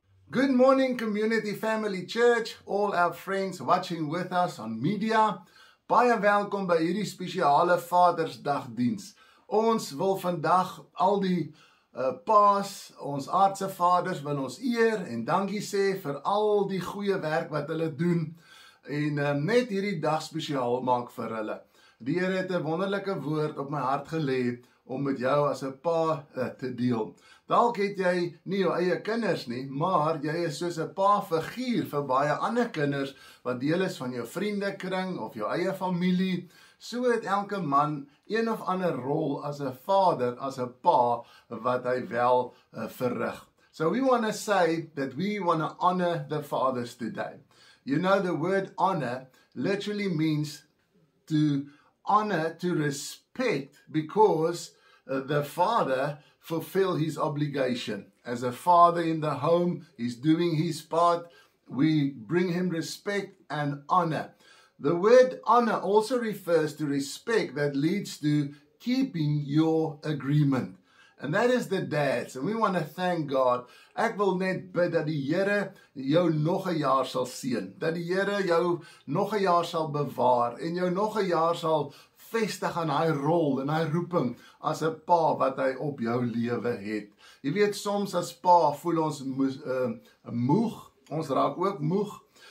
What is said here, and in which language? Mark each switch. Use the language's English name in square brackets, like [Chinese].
[English] Good morning, Community Family Church, all our friends watching with us on media. [Afrikaans] Baie welkom by hierdie spesiale Vadersdag diens. Ons wil vandag al die paas, ons aardse vaders wil ons eer en dankie sê vir al die goeie werk wat hulle doen en net hierdie dag spesiaal maak vir hulle. Die Here het 'n wonderlike woord op my hart gelê om met jou as 'n pa te deel. Dalk het jy nie jou eie kinders nie, maar jy is soos 'n pa figuur vir baie ander kinders wat deel is van jou vriendekring of jou eie familie. So het elke man een of ander rol as 'n vader, as 'n pa, wat hy wel verrig. [English] So we want to say that we want to honor the fathers today. You know, the word honor literally means to honor, to respect, because the father fulfill his obligation. As a father in the home, he's doing his part. We bring him respect and honor. The word honor also refers to respect that leads to keeping your agreement. And that is the dads. And we want to thank God. [Afrikaans] Ek wil net bid dat die Here jou nog 'n jaar sal seën. Dat die Here jou nog 'n jaar sal bewaar en jou nog 'n jaar sal vestig aan hy rol en hy roeping as 'n pa wat hy op jou lewe het. Jy weet, soms as pa voel ons moeg, ons raak ook moeg.